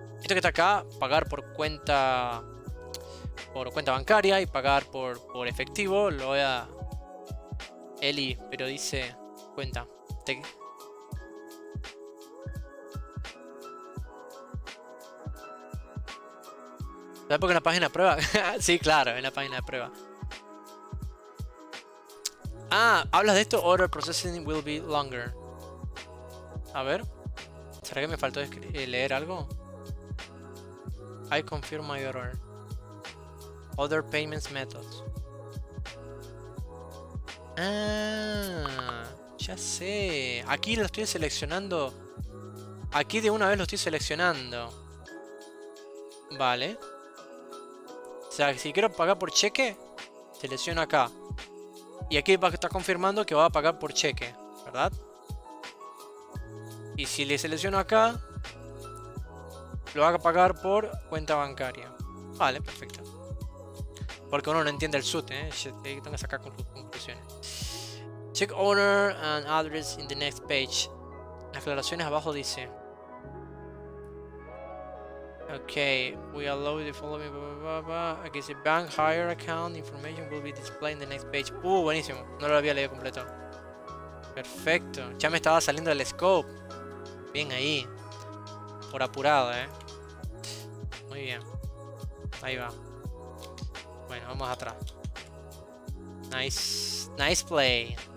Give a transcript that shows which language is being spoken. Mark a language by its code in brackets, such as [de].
[es] Esto que está acá, pagar por cuenta bancaria y pagar por efectivo, lo voy a... Eli, pero dice cuenta. ¿Sabes por qué en la página de prueba? Sí, claro, en la página de prueba. Ah, ¿hablas de esto? [en] Order processing will be longer. [es] A ver. ¿Será que me faltó leer algo? [en] I confirm my order. Other payments methods. [es] Ah, ya sé. Aquí lo estoy seleccionando. Aquí de una vez lo estoy seleccionando. Vale. O sea, si quiero pagar por cheque, selecciono acá. Y aquí va a estar confirmando que va a pagar por cheque, ¿verdad? Y si le selecciono acá, lo va a pagar por cuenta bancaria. Vale, perfecto. Porque uno no entiende el SUT, ¿eh? Tengo que sacar conclusiones. [en] Check owner and address in the next page. [es] Las aclaraciones abajo dice. [en] Ok, we allow the following. Blah, blah, blah, blah. Aquí dice bank hire account information will be displayed in the next page. [es] Buenísimo, no lo había leído completo. Perfecto, ya me estaba saliendo el scope. Bien ahí, por apurado, Muy bien, ahí va. Bueno, vamos atrás. Nice play.